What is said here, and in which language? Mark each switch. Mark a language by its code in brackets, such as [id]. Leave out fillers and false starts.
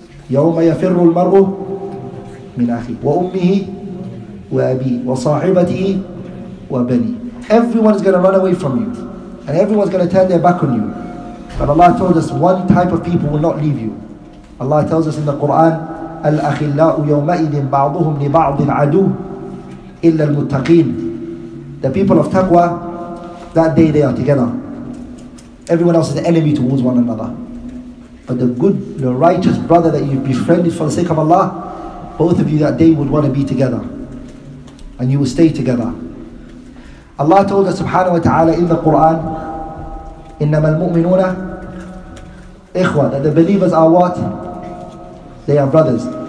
[ar] يَوْمَ يَفِرُّ الْمَرْءُ مِنْ أَخِيهِ وَأُمِّهِ وَأَبِيهِ وَصَاحِبَتِهِ وَبَنِيهِ. [en] Everyone is going to run away from you. And everyone is going to turn their back on you. But Allah told us one type of people will not leave you. Allah tells us in the Quran, [ar] الأخلاء يومئذ بعضهم لبعض عدو إلا المتقين. [en] The people of taqwa, that day they are together. Everyone else is an enemy towards one another. But the good, the righteous brother that you've befriended for the sake of Allah, both of you that day would want to be together. And you will stay together. Allah told us subhanahu wa ta'ala in the Quran, [ar] إِنَّمَا الْمُؤْمِنُونَ إِخْوَةً, [en] that the believers are what? They are brothers.